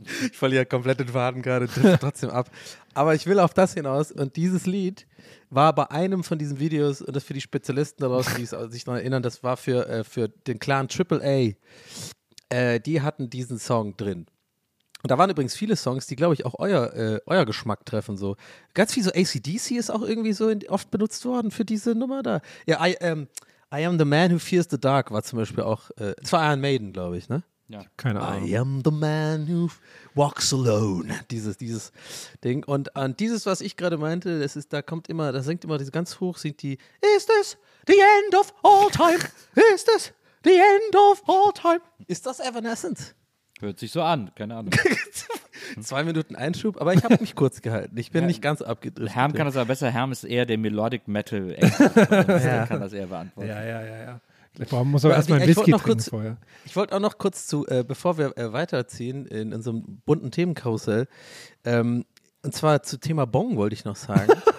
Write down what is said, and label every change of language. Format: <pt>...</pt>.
<de>Ich verliere komplett den Faden gerade, drift trotzdem ab. Aber ich will auf das hinaus und dieses Lied war bei einem von diesen Videos, und das für die Spezialisten daraus, die sich noch erinnern, das war für den Clan AAA, die hatten diesen Song drin. Und da waren übrigens viele Songs, die, glaube ich, auch euer Geschmack treffen. So. Ganz viel so AC/DC ist auch irgendwie so oft benutzt worden für diese Nummer da. Ja, I Am The Man Who Fears The Dark war zum Beispiel auch, das war Iron Maiden, glaube ich, ne? Ja. Keine Ahnung.</de> <en>I am the man who walks alone.</en> <de>Dieses Ding. Und an dieses, was ich gerade meinte, das ist, da kommt immer, da singt immer diese ganz hoch, singt die,</de> <en>is this the end of all time? Is this the end of all time?</en> <de>Ist das Evanescence? Hört sich so an, keine Ahnung. 2 Minuten Einschub, aber ich habe mich kurz gehalten. Ich bin nicht ganz abgedriftet. Herm kann das aber besser. Herm ist eher der Melodic Metal. Der kann das eher beantworten. Ja. Man muss aber erstmal ein Whisky trinken vorher. Ich wollte auch noch kurz zu, bevor wir weiterziehen in unserem so bunten Themenkarussell, und zwar zu Thema Bong wollte ich noch sagen.</de>